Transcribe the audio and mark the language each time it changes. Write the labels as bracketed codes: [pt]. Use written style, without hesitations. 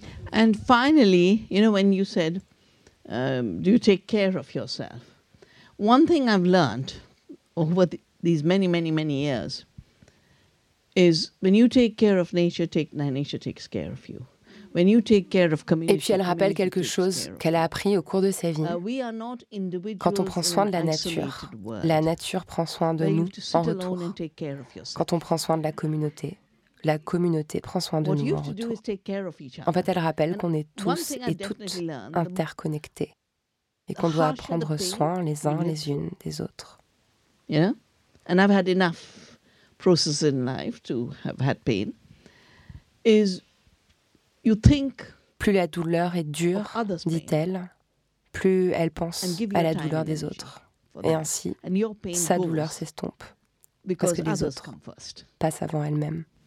[en] And finally, you know, when you said, do you take care of yourself? One thing I've learned over these many, many, many years is when you take care of nature, nature takes care of you. When you take care of community, [fr] et puis elle rappelle quelque chose qu'elle a appris au cours de sa vie. Quand on prend soin de la nature prend soin de nous en retour. Quand on prend soin de la communauté prend soin de nous en retour. En fait, elle rappelle qu'on est tous et toutes interconnectés et qu'on doit prendre soin les uns les unes des autres. [en] Yeah, and I've had enough process in life to have had pain is you think [fr] plus la douleur est dure, dit-elle, plus elle pense à la douleur des autres. Et ainsi, sa douleur s'estompe parce que les autres passent avant elle-même.